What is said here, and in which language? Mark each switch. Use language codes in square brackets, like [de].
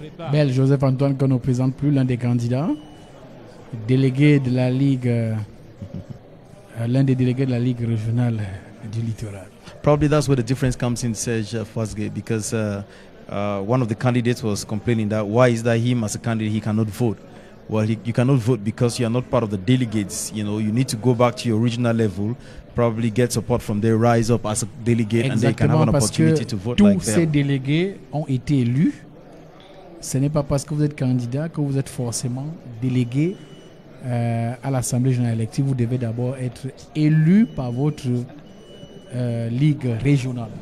[fr] Bel Joseph Antoine, que nous ne présente plus, l'un des candidats, délégué de la Ligue, l'un des délégués de la Ligue régionale du littoral. [en] Probably that's where the difference comes in, Serge Fosgay, because one of the candidates was complaining that why is that him as a candidate, he cannot vote. Well, you cannot vote because you are not part of the delegates. You know, you need to go back to your regional level, probably get support from there, rise up as a delegate. [fr] Exactement, [en] and they can have an opportunity to vote like [fr] Tous ces délégués ont été élus. Ce n'est pas parce que vous êtes candidat que vous êtes forcément délégué à l'Assemblée générale élective. Vous devez d'abord être élu par votre ligue régionale.